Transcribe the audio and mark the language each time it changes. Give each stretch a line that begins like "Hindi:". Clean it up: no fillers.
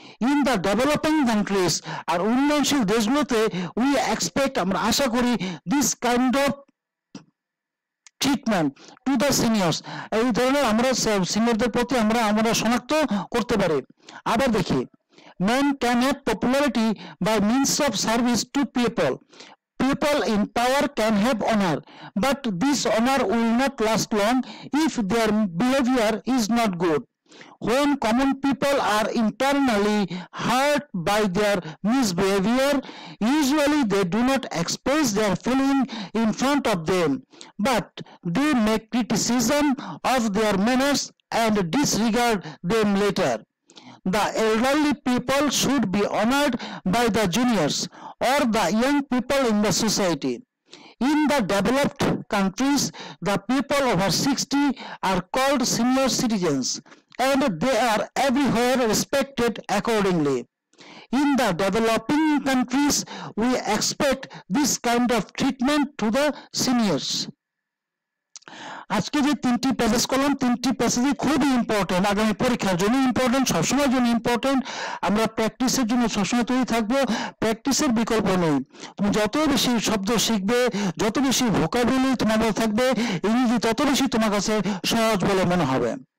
English: in the developing countries,
Bangla: আর উন্নয়নশীল দেশগুলোতে,
English: we expect,
Bangla: আমরা আশা করি
English: this kind of treatment to the seniors,
Bangla: এই ধরনের আমরা সিনিয়রদের প্রতি আমরা আমরা শনাক্ত করতে পারি। আবার দেখি,
English: Man can have popularity by means of service to people, people in power can have honour, but this honour will not last long if their behaviour is not good. When common people are internally hurt by their misbehavior, usually they do not express their feeling in front of them, but they make criticism of their manners and disregard them later. The elderly people should be honored by the juniors or the young people in the society. In the developed countries, the people over 60 are called senior citizens. And they are everywhere respected accordingly. In the developing countries, we expect this kind of treatment to the seniors.
Bangla: আজকে যে তিনটি passage করলাম, তিনটি প্যাসেজই খুবই important, আগামী পরীক্ষার জন্য important, সবসময়ের জন্য ইম্পর্টেন্ট। আমরা প্র্যাকটিসের জন্য সবসময় তৈরি থাকবো, প্র্যাকটিসের বিকল্প নেই। তুমি যত বেশি শব্দ শিখবে, যত বেশি ভোকাবুলারি তোমার মধ্যে থাকবে ইংরেজি, তত বেশি তোমার কাছে সহজ বলে মনে হবে।